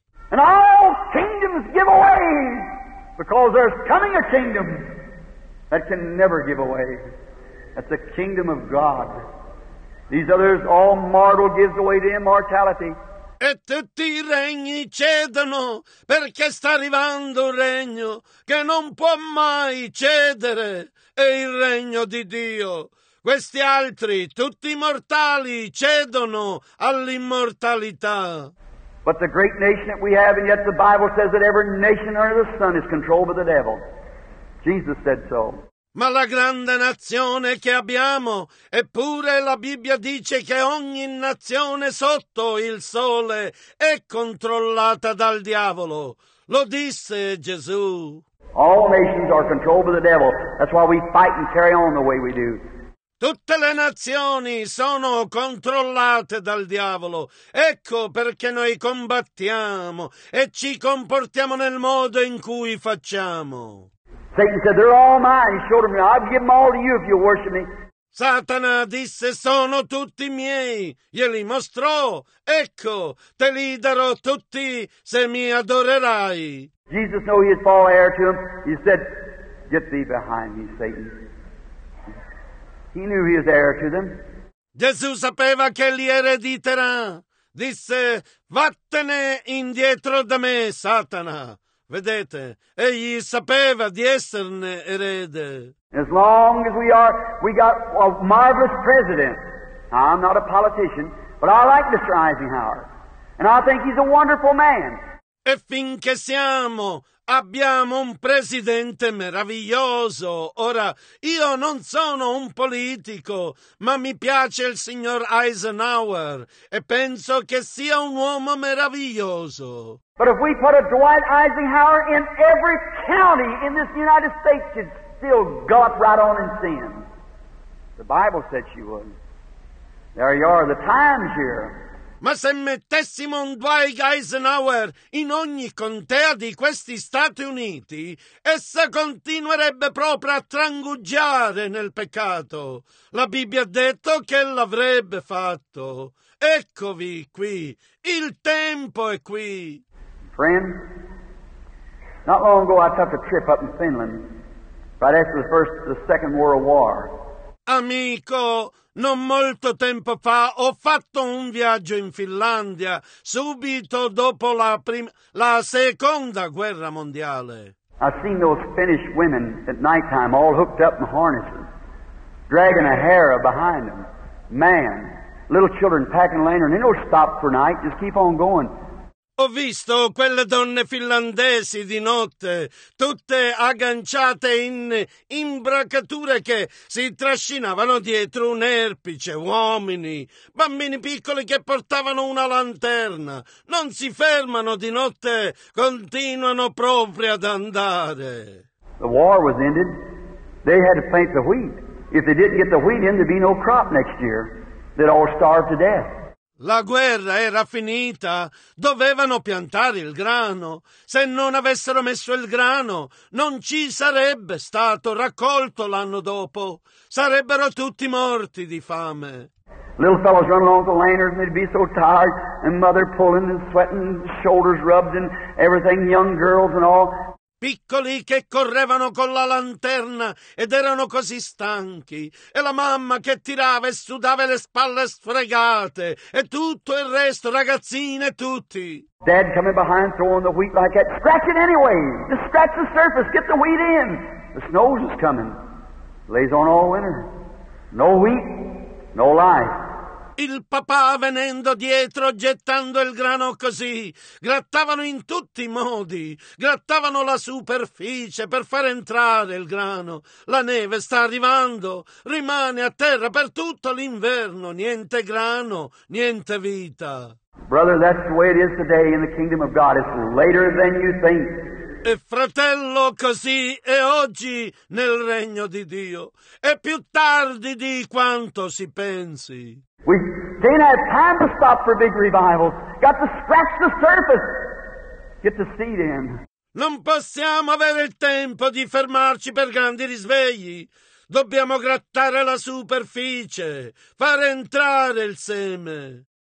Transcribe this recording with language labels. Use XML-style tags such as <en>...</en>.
<en>And all kingdoms give away, because there's coming a kingdom that can never give away. That's the kingdom of God. These others, all mortal gives away to immortality.</en> <it>E tutti i regni cedono, perché sta arrivando un regno che non può mai cedere, è il regno di Dio. Questi altri, tutti mortali, cedono all'immortalità.</it> <en>But the great nation that we have, and yet the Bible says that every nation under the sun is controlled by the devil. Jesus said so.</en> <it>Ma la grande nazione che abbiamo, eppure la Bibbia dice che ogni nazione sotto il sole è controllata dal diavolo. Lo disse Gesù.</it> <en>All nations are controlled by the devil. That's why we fight and carry on the way we do.</en> <it>Tutte le nazioni sono controllate dal diavolo. Ecco perché noi combattiamo e ci comportiamo nel modo in cui facciamo.</it> <en>Satan said, "They're all mine." He showed him, "I'll give them all to you if you worship me."</en> <it>Satana disse, "Sono tutti miei." Glieli mostrò. Ecco, te li darò tutti se mi adorerai.</it> <en>Jesus knew he'd fall heir to him. He said, "Get thee behind me, Satan." He knew he was heir to them.</en> <it>Gesù sapeva che li erediterà. Disse, "Vattene indietro da me, Satana." Vedete, egli sapeva di esserne erede.</it> <en>As long as we are, we got a marvelous president. Now, I'm not a politician, but I like Mr. Eisenhower. And I think he's a wonderful man.</en> <it>E finché siamo, abbiamo un presidente meraviglioso. Ora, io non sono un politico, ma mi piace il signor Eisenhower e penso che sia un uomo meraviglioso.</it> <en>But if we put a Dwight Eisenhower in every county in this United States, she'd still go up right on in sin. The Bible said she would. There you are, the times here.</en> <it>Ma se mettessimo un Dwight Eisenhower in ogni contea di questi Stati Uniti, essa continuerebbe proprio a trangugiare nel peccato. La Bibbia ha detto che l'avrebbe fatto. Eccovi qui. Il tempo è qui.</it> <en>Friend, not long ago I took a trip up in Finland, right after the Second World War.</en> <it>Amico, non molto tempo fa ho fatto un viaggio in Finlandia, subito dopo la Seconda Guerra Mondiale.</it> <en>I've seen those Finnish women at nighttime all hooked up in harnesses, dragging a harrow behind them. Man, little children packing a lantern, they don't stop for night, just keep on going.</en> <it>Ho visto quelle donne finlandesi di notte, tutte agganciate in imbracature che si trascinavano dietro un erpice, uomini, bambini piccoli che portavano una lanterna. Non si fermano di notte, continuano proprio ad andare.</it> <en>the war was ended, they had to plant the wheat. If they didn't get the wheat in, there'd be no crop next year. They'd all starve to death.</en> <it>La guerra era finita, dovevano piantare il grano. Se non avessero messo il grano, non ci sarebbe stato raccolto l'anno dopo. Sarebbero tutti morti di fame.</it> <en>Little fellows run along with the lanterns and they'd be so tired, and mother pulling and sweating, shoulders rubbed and everything, young girls and all.</en> <it>Piccoli che correvano con la lanterna ed erano così stanchi, e la mamma che tirava e sudava le spalle sfregate, e tutto il resto, ragazzine, tutti.</it> <en>Dad coming behind throwing the wheat like that. Scratch it anyway. Just scratch the surface. Get the wheat in. The snow's just coming. Lays on all winter. No wheat, no life.</en> <it>Il papà venendo dietro, gettando il grano così, grattavano in tutti i modi, grattavano la superficie per far entrare il grano. La neve sta arrivando, rimane a terra per tutto l'inverno, niente grano, niente vita.</it> <en>Brother, that's the way it is today in the kingdom of God, it's later than you think.</en> <it>E fratello, così è oggi nel regno di Dio, è più tardi di quanto si pensi.</it> <en>We didn't have time to stop for big revivals. Got to scratch the surface. Get the seed in.</en> <it>Non possiamo avere il tempo di fermarci per grandi risvegli. Dobbiamo grattare la superficie, far entrare il seme.</it>